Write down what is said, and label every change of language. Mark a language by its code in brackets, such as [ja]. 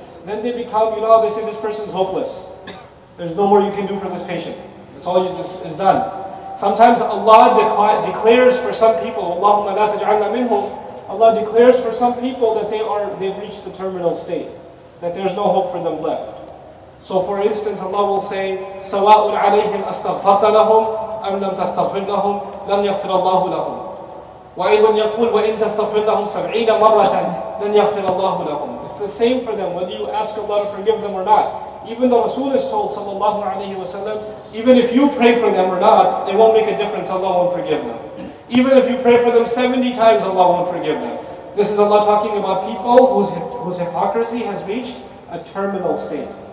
[en] Then they become, you know, they say this person's hopeless. There's no more you can do for this patient. It's all you just is done. Sometimes Allah declares for some people, [ar] Allahumma la taj'alna minhum, [en] Allah declares for some people that they've reached the terminal state, that there's no hope for them left. So for instance, Allah will say, [ar] سَوَاءٌ عَلَيْهِمْ أَسْتَغْفَرْتَ لَهُمْ أَمْ لَمْ تَسْتَغْفِرْ لَهُمْ لَمْ يَغْفِرَ اللَّهُ لَهُمْ وَأَيْضًا يَقُولُ وَإِنْ تَسْتَغْفِرْ لَهُمْ سَبْعِينَ مَرَّةً لَنْ يَغْفِرَ اللَّهُ لَهُمْ. [en] It's the same for them, whether you ask Allah to forgive them or not. Even the Rasul is told, sallallahu alayhi wa sallam, even if you pray for them or not, it won't make a difference, Allah won't forgive them. Even if you pray for them 70 times, Allah won't forgive them. This is Allah talking about people whose hypocrisy has reached a terminal state.